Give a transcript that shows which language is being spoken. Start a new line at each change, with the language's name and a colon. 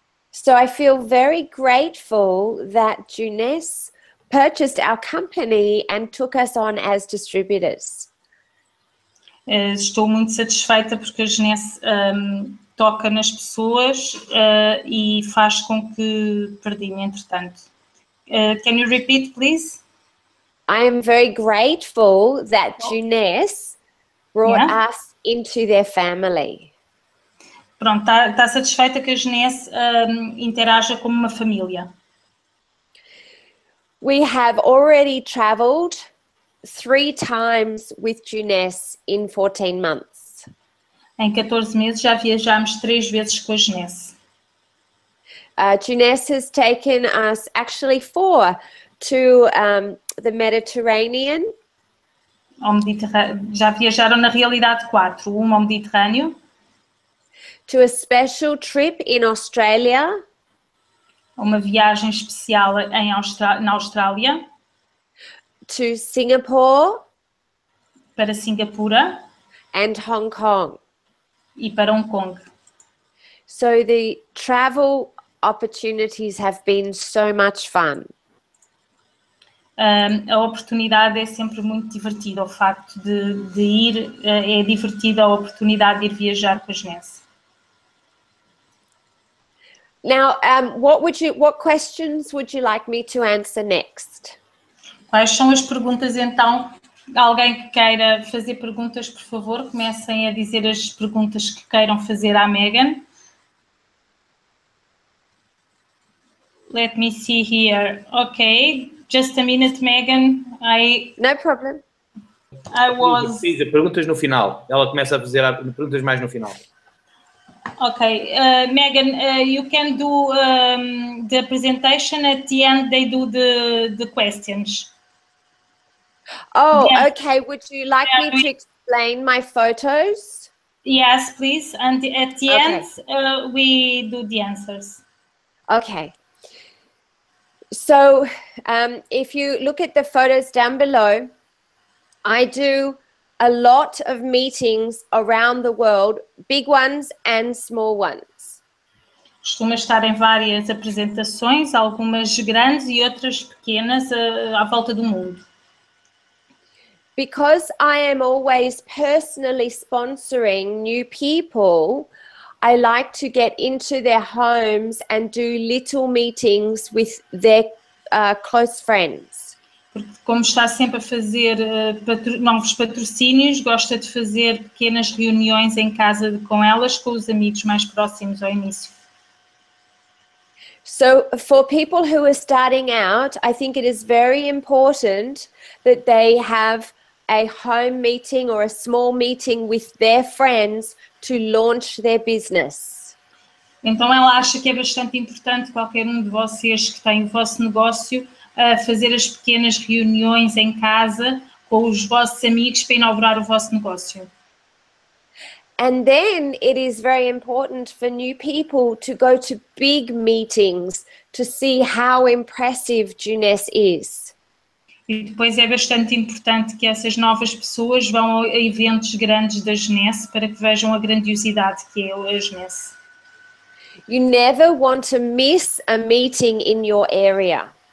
English: So I feel very grateful that Junes purchased our company and took us on as distributors.
Portuguese: Estou muito satisfeita porque a Junes toca nas pessoas e faz com que perdi-me entretanto.
English: Can you repeat, please? I am very grateful that Junes brought us into their family.
Portuguese: Pronto, está satisfeita que a Junes interaja como uma família.
English: We have already traveled 3 times with Junes in 14 months.
Portuguese: Em 14 meses já viajámos 3 vezes com a Junes.
English: Junes has taken us, actually 4, to the Mediterranean.
Portuguese: Já viajaram na realidade 4, uma ao Mediterrâneo.
English: to a special trip in Australia.
Portuguese: Uma viagem especial em na Austrália.
English: To Singapore.
Portuguese: Para Singapura.
English: And Hong Kong.
Portuguese: E para Hong Kong.
English: So the travel opportunities have been so much fun.
Portuguese: A oportunidade é sempre muito divertida. O facto de ir é divertida a oportunidade de ir viajar com as Nancy.
English: Now, what questions would you like me to answer next?
Portuguese: Quais são as perguntas então? Alguém que queira fazer perguntas, por favor, comecem a dizer as perguntas que queiram fazer à Megan.
English: Let me see here. Okay, just a minute, Megan. No problem.
Portuguese: Fiz as perguntas no final. Ela começa a fazer perguntas mais no final.
English: Okay, Megan, you can do the presentation at the end, they do the questions. Oh, yes. Okay. Would you like me to explain my photos? Yes, please. And at the end, we do the answers. Okay. So, if you look at the photos down below, I do a lot of meetings around the world, big ones and small ones.
Portuguese: Costumo estar em várias apresentações, algumas grandes e outras pequenas, à volta do mundo.
English: Because I am always personally sponsoring new people, I like to get into their homes and do little meetings with their close friends.
Portuguese: Porque como está sempre a fazer novos patrocínios, gosta de fazer pequenas reuniões em casa com elas, com os amigos mais próximos ao início.
English: So, for people who are starting out, I think it is very important that they have a home meeting or a small meeting with their friends to launch their business.
Portuguese: Então ela acha que é bastante importante qualquer um de vocês que tem o vosso negócio fazer as pequenas reuniões em casa com os vossos amigos para inaugurar o vosso negócio.
English: And then it is very important for new people to go to big meetings to see how impressive Juness is.
Portuguese: E depois é bastante importante que essas novas pessoas vão a eventos grandes da Juness para que vejam a grandiosidade que é a Juness.
English: You never want to miss a meeting in your area.